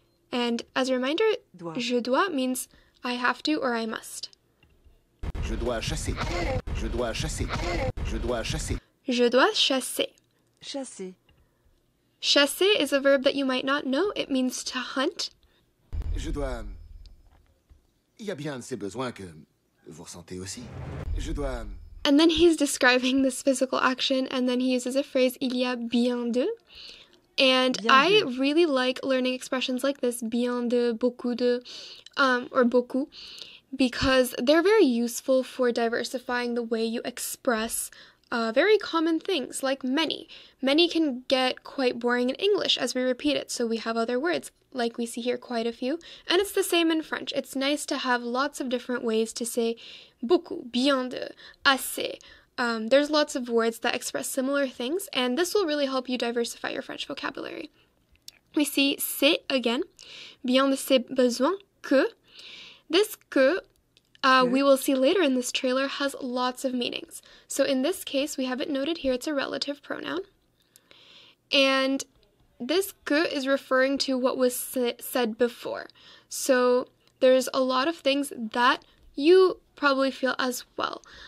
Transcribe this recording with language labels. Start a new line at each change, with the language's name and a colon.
English: And as a reminder, dois.
French: Je dois
English: means I have to or I must.
French: Je dois chasser. Je dois chasser. Je dois chasser. Je dois chasser. Chasser.
English: Chasser is a verb that you might not know. It means to hunt.
French: Je dois... Il y a bien de ces besoins que vous ressentez aussi. Je dois...
English: And then he's describing this physical action, and then he uses a phrase,
French: il y a bien de.
English: And
French: bien
English: I
French: de.
English: Really like learning expressions like this, bien de, beaucoup de, or beaucoup, because they're very useful for diversifying the way you express very common things, like many. Many can get quite boring in English as we repeat it, so we have other words, like we see here quite a few. And it's the same in French. It's nice to have lots of different ways to say beaucoup, bien de, assez. There's lots of words that express similar things, and this will really help you diversify your French vocabulary. We see c'est again,
French: bien de ses besoins, que.
English: This que, we will see later in this trailer, has lots of meanings. So in this case, we have it noted here, it's a relative pronoun. And this que is referring to what was said before. So there's a lot of things that you probably feel as well.